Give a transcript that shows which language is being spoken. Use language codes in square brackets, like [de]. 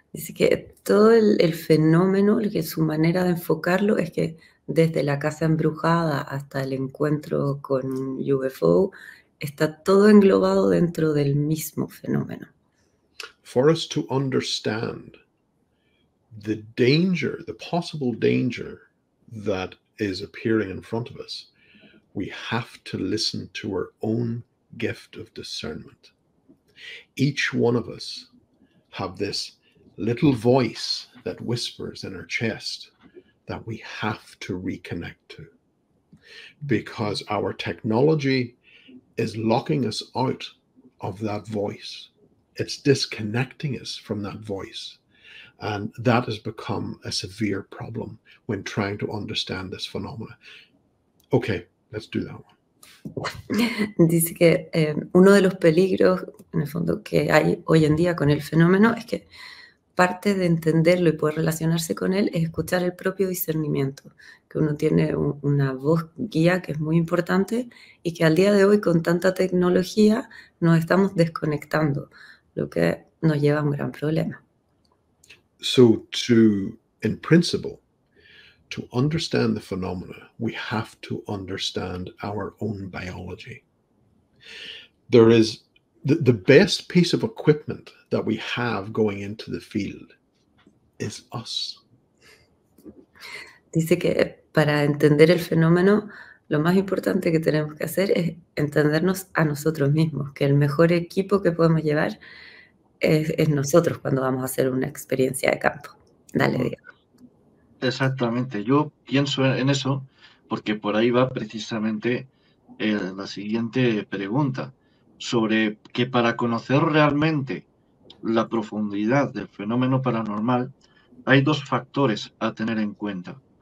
[es] Así que todo el fenómeno, que su manera de enfocarlo es que desde la casa embrujada hasta el encuentro con UFO, está todo englobado dentro del mismo fenómeno. [en] For us to understand the danger, the possible danger that is appearing in front of us, we have to listen to our own gift of discernment. Each one of us have this little voice that whispers in our chest that we have to reconnect to, because our technology is locking us out of that voice. It's disconnecting us from that voice. And that has become a severe problem when trying to understand this phenomena. Okay, let's do that one. [es] Dice que uno de los peligros, en el fondo, que hay hoy en día con el fenómeno es que parte de entenderlo y poder relacionarse con él es escuchar el propio discernimiento, que uno tiene una voz guía que es muy importante y que al día de hoy con tanta tecnología nos estamos desconectando, lo que nos lleva a un gran problema. [en] So to, in principle, to understand the phenomena, we have to understand our own biology. There is the best piece of equipment that we have going into the field is us. [es] Dice que para entender el fenómeno, lo más importante que tenemos que hacer es entendernos a nosotros mismos, que el mejor equipo que podemos llevar es nosotros cuando vamos a hacer una experiencia de campo. Dale, Diego. Exactamente, yo pienso en eso porque por ahí va precisamente la siguiente pregunta sobre que para conocer realmente la profundidad del fenómeno paranormal hay dos factores a tener en cuenta.